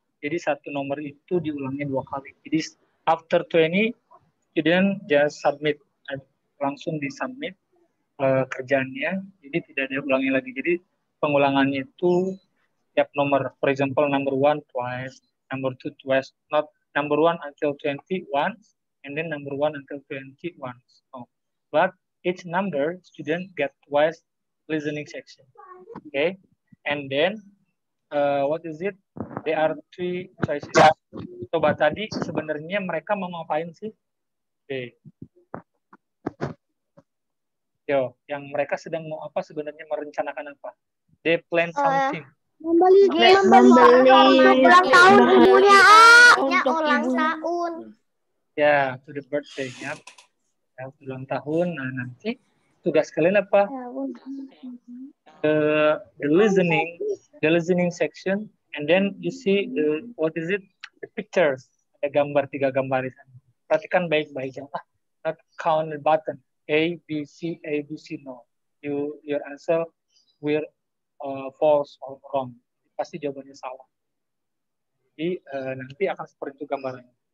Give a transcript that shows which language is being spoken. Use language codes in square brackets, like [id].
[id] Jadi satu nomor itu diulangnya dua kali. Jadi [en] after 20, student just submit. [id] Langsung disubmit kerjaannya. Jadi tidak ada ulangnya lagi. Jadi pengulangannya itu tiap nomor. [en] For example, number one twice, number two twice. Not number one until 20 once, and then number one until 20 once. No. But each number, student get twice listening section. Okay. And then, what is it? There are three choices. [id] Coba tadi, sebenarnya mereka mau ngapain sih? Okay. Yo, yang mereka sedang mau apa, sebenarnya merencanakan apa? [en] They plan something. [id] Membeli game. Membeli. Ulang tahun ibunya, untuk ulang tahun. Ya, [en] to the birthday, [id] ya. Ya, ulang tahun, nah nanti. Tugas kalian apa? [en] The listening section, and then you see the what is it? The pictures, [id] ada gambar tiga gambar di sana. Perhatikan baik-baik ya. [en] Not count the button. A, B, C. No, your answer will false or wrong. [id] Pasti jawabannya salah. Jadi nanti akan seperti itu gambarnya.